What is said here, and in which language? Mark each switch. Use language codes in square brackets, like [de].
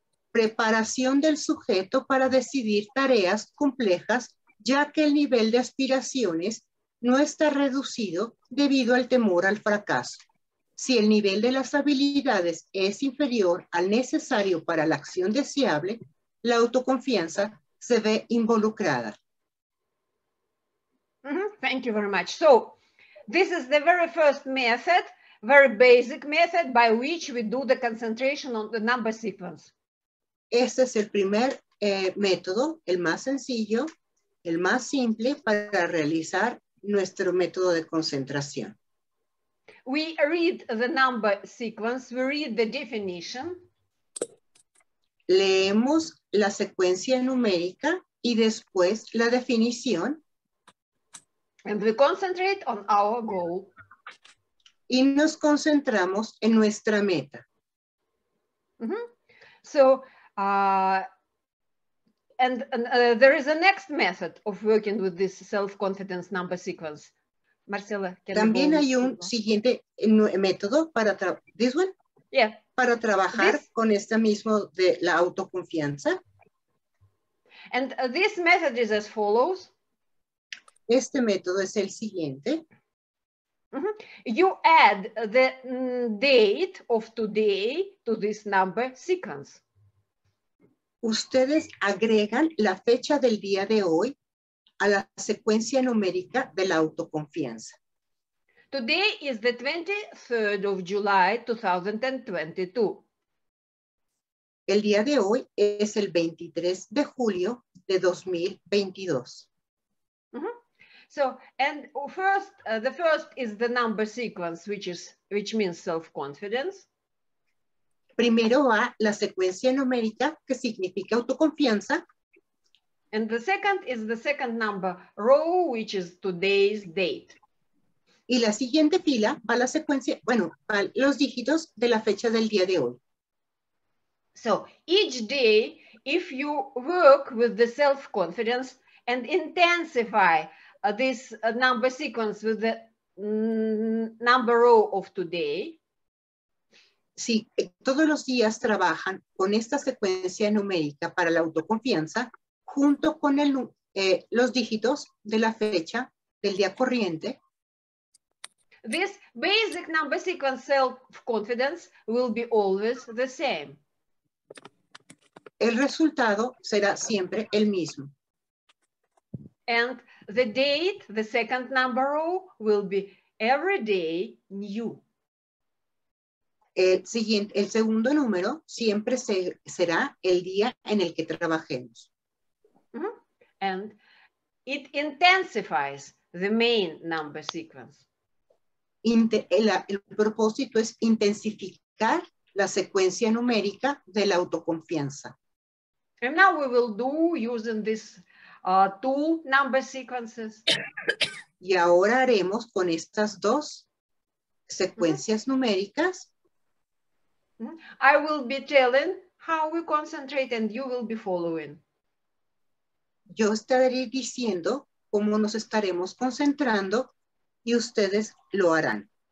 [es] Preparación del sujeto para decidir tareas complejas, ya que el nivel de aspiraciones no está reducido debido al temor al fracaso. Si el nivel de las habilidades es inferior al necesario para la acción deseable, la autoconfianza se ve involucrada. [en] Thank you very much. So, this is the very first method, very basic method by which we do the concentration on the number sequence. [es] Este es el primer método, el más sencillo, el más simple para realizar nuestro método de concentración. [en] We read the number sequence, we read the definition. [es] Leemos la secuencia numérica y después la definición. [en] And we concentrate on our goal. [es] Y nos concentramos en nuestra meta. Mm-hmm. [en] So, there is a next method of working with this self-confidence number sequence. Marcela. [es] También hay un siguiente método para [en] this one. Yeah. [es] Para trabajar this, con este mismo de la autoconfianza. [en] And this method is as follows. [es] Este método es el siguiente. Mm-hmm. [en] You add the date of today to this number sequence. [es] Ustedes agregan la fecha del día de hoy a la secuencia numérica de la autoconfianza. [en] Today is the 23rd of July, 2022. [es] El día de hoy es el 23 de julio de 2022. Mm-hmm. [en] So, and first, the first is the number sequence, which means self-confidence. [es] Primero va la secuencia numérica, que significa autoconfianza. [en] And the second is the second number row, which is today's date. [es] Y la siguiente fila va la secuencia, bueno, va los dígitos de la fecha del día de hoy. [en] So, each day, if you work with the self-confidence and intensify this number sequence with the number row of today. [es] Si todos los días trabajan con esta secuencia numérica para la autoconfianza, junto con el, los dígitos de la fecha del día corriente. [en] This basic number sequence self-confidence will be always the same. [es] El resultado será siempre el mismo. [en] And the date, the second number row, will be every day new. [es] El siguiente, el segundo número siempre será el día en el que trabajemos. [en] Mm-hmm. And it intensifies the main number sequence. [es] El propósito es intensificar la secuencia numérica de la autoconfianza. [en] And now we will do using this two number sequences. [es] Y ahora haremos con estas dos secuencias mm-hmm. numéricas. [en] I will be telling how we concentrate and you will be following. [es] Yo estaré diciendo cómo nos estaremos concentrando y ustedes lo harán.